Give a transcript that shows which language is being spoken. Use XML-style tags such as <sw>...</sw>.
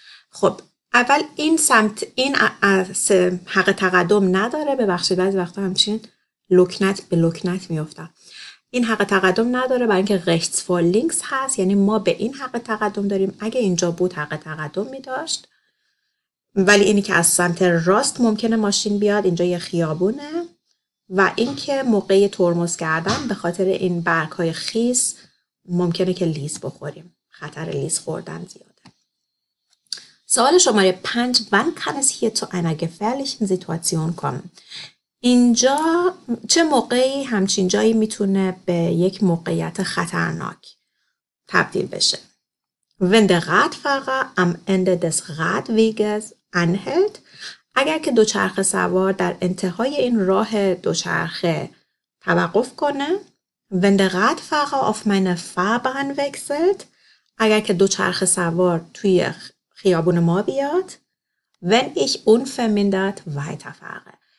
<fa>خب اول این سمت، این از حق تقدم نداره، ببخشید بعضی وقتا همچین لکنت به لکنت میفتم، این حق تقدم نداره برای اینکه rechts vor links هست، یعنی ما به این حق تقدم داریم، اگه اینجا بود حق تقدم میداشت. ولی اینی که از سمت راست ممکنه ماشین بیاد، اینجا یه خیابونه و اینکه موقع ترمز کردن به خاطر این برگ های خیس ممکنه که لیز بخوریم، خطر لیز خوردن زیاد. سوال شماره 5:</fa> <de>wann kann es hier zu einer gefährlichen Situation kommen؟</de> <fa>اینجا چه موقعی همچین جایی میتونه به یک موقعیت خطرناک تبدیل بشه؟</fa> <de>wenn der Radfahrer am Ende des Radweges anhält،</de> <fa>اگر که دوچرخه سوار در انتهای این راه دوچرخه توقف کنه،</fa> <de>Wenn der Radfahrer auf meine Fahrbahn wechselt,</de> <fa>اگر که دوچرخه سوار توی خیابون ما بیاد،</fa> <de>Wenn ich unvermindert weiterfahre.</de>